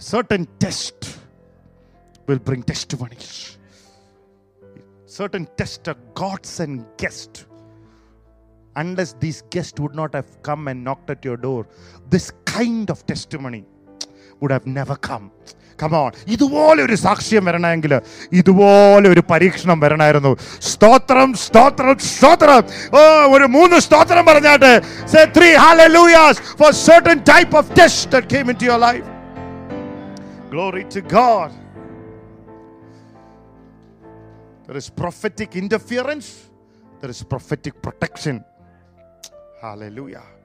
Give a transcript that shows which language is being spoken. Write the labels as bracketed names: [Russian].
[English] Certain test will bring testimonies. Certain tests are God sent guest. Unless these guests would not have come and knocked at your door, this kind of testimony would have never come. Come on. [Malayalam] ഇതുപോലെ ഒരു സാക്ഷ്യം വരണമെങ്കിൽ ഇതുപോലെ ഒരു പരീക്ഷണം വരണമായിരുന്നു. സ്തോത്രം, സ്തോത്രം, സ്തോത്രം. ഓ, ഒരു മൂന്ന് സ്തോത്രം പറഞ്ഞാട്ട്. [English] Say three hallelujahs for certain type of test that came into your life. Glory to God. There is prophetic interference. There is prophetic protection. Hallelujah.